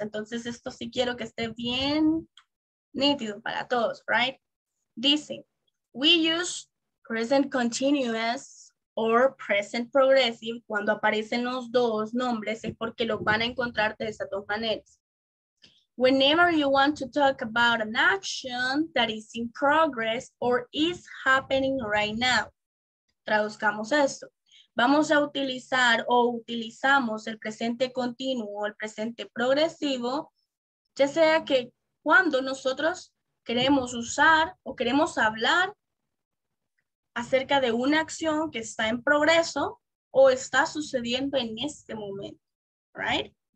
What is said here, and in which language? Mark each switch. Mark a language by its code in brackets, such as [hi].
[es] Entonces esto sí quiero que esté bien nítido para todos, right? Dice, [en] we use present continuous or present progressive. [es] Cuando aparecen los dos nombres es porque los van a encontrar de esas dos maneras. [en] Whenever you want to talk about an action that is in progress or is happening right now. [es] Traduzcamos esto. Vamos a utilizar o utilizamos el presente continuo o el presente progresivo, ya sea que cuando nosotros queremos usar o queremos hablar acerca de una acción que está en progreso o está sucediendo en este momento, right?